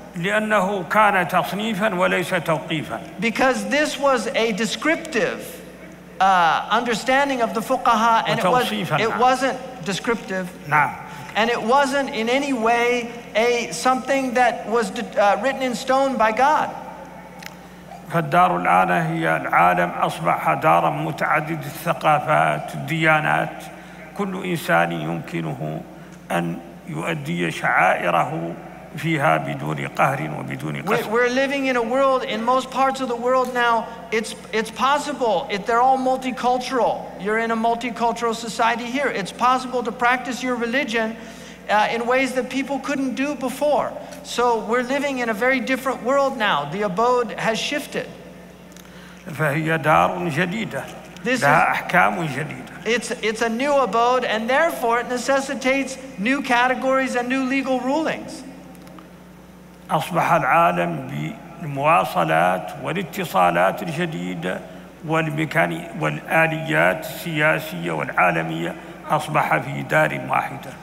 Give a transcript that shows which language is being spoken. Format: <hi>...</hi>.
<ar>لأنه كان تصنيفا وليس توقيفا.</ar> <en>Because this was a descriptive understanding of the fuqaha, and it wasn't descriptive.</en> <ar>نعم.</ar> <en>And it wasn't in any way something that was written in stone by God.</en> <ar>فالدار الآن هي العالم أصبح دارا متعدد الثقافات الديانات كل إنسان يمكنه أن يؤدي شعائره فيها بدون قهر وبدون قسوة.</ar> <en>We're living in a world, in most parts of the world now, it's possible, if they're all multicultural, you're in a multicultural society here, it's possible to practice your religion in ways that people couldn't do before. So we're living in a very different world now. The abode has shifted.</en> <ar>فهي دار جديدة.</ar> <en>This</en> <ar>لها أحكام جديدة.</ar> <en>It's a new abode, and therefore it necessitates new categories and new legal rulings.</en> <ar>أصبح العالم بالمواصلات والاتصالات الجديدة والآليات السياسية والعالمية أصبح في دار واحدة.</ar>